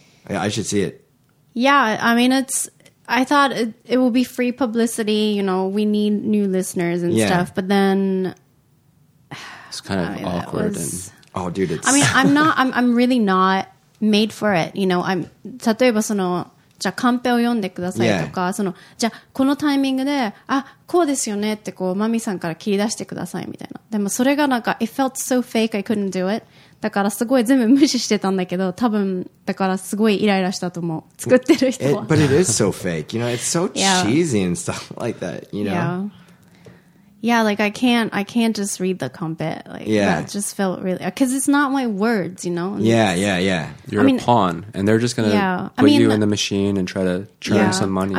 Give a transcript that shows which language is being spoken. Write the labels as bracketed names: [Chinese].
[English] Yeah, I should see it. Yeah, I mean, I thought it will be free publicity, you know, we need new listeners and stuff, but then... It's kind of awkward. Oh, dude, it's... I mean, I'm really not made for it, you know, I'm... [Japanese] 例えばその、じゃあカンペを読んでくださいとか、そのじゃあこのタイミングであこうですよねってこうマミさんから切り出してくださいみたいな。でもそれがなんか [English] it felt so fake I couldn't do it。 [Japanese] だからすごい全部無視してたんだけど、多分だからすごいイライラしたと思う。作ってる人は。 [English] But it is so fake. You know, it's so cheesy and stuff like that. You know. Yeah, like I can't just read the compet. Like, that just felt really... Because it's not my words, you know? Yeah. You're a pawn, and they're just going to put you in the machine and try to churn some money out